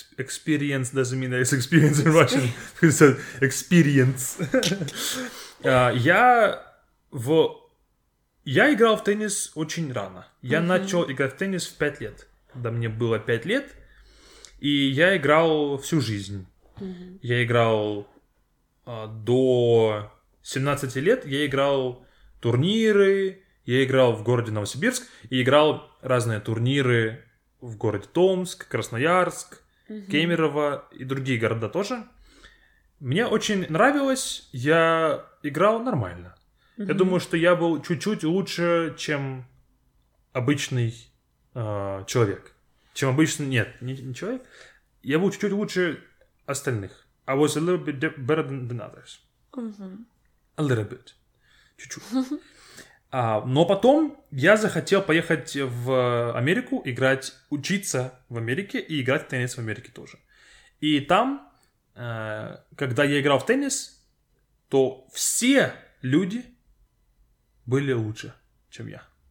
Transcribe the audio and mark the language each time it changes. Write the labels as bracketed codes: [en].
[en] Experience doesn't mean that it's experience in Russian. It's an experience. [ru] Я играл в теннис очень рано. Я mm-hmm. начал играть в теннис в 5 лет. Когда мне было 5 лет. И я играл всю жизнь. Mm-hmm. Я играл до 17 лет. Я играл турниры. Я играл в городе Новосибирск. И играл разные турниры в городе Томск, Красноярск, mm-hmm. Кемерово и другие города тоже. Мне очень нравилось. Я играл нормально. Mm-hmm. Я думаю, что я был чуть-чуть лучше, чем обычный человек. Чем обычный... Нет, не человек. Я был чуть-чуть лучше остальных. [en] I was a little bit better than others. Mm-hmm. A little bit. [ru] Чуть-чуть. Но потом я захотел поехать в Америку, играть, учиться в Америке и играть в теннис в Америке тоже. И там, когда я играл в теннис, то все люди были лучше, чем я.